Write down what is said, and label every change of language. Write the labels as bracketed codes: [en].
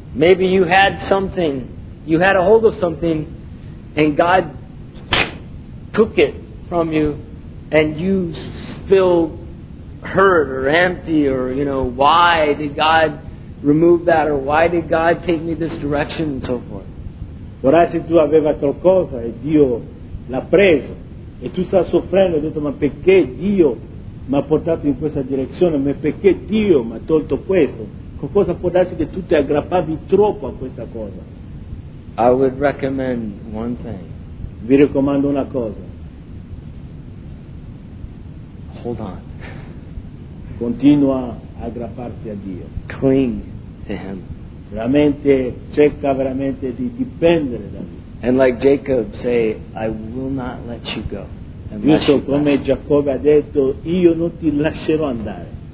[en] Maybe you had something, you had a hold of something and God took it from you and you feel hurt or empty or, you know, why did God remove that or why did God take me this direction and so forth. [it] Ora se tu aveva qualcosa e Dio l'ha preso e tu stai soffrendo e hai detto, ma perché Dio mi ha portato in questa direzione, ma perché Dio mi ha tolto questo? Cosa può darsi che tu ti aggrappavi troppo a questa cosa? [en] I would recommend one thing. [it] Vi raccomando una cosa. [en] Hold on. [it] Continua a aggrapparti a Dio. [en] Cling to Him. [it] Veramente, cerca veramente di dipendere da Lui. [en] And like Jacob say, I will not let you go. [it] Giusto come Giacobbe ha detto, io non ti lascerò andare.